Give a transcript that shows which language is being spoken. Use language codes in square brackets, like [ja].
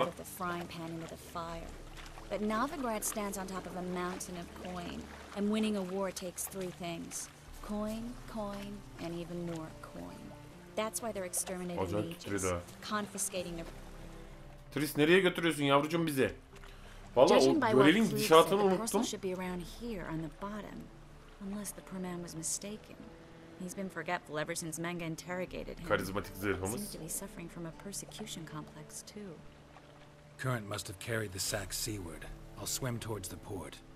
[en] The frying pan into the fire. But Novigrad stands on top of a mountain of coin, and winning a war takes three things: coin, coin, and even more coin. That's why they're exterminating mages, confiscating their. [tr] Triss, nereye götürüyorsun yavrucum bizi? Vallahi o görevin gidişatını unuttum. [en] Should be around here on the bottom, unless the poor man was mistaken. He's been forgetful ever since Manga interrogated him. [tr] Karizmatik zırhımız. [en] Seems to be suffering from a persecution complex too. Current must have carried the sack seaward. I'll swim towards the port.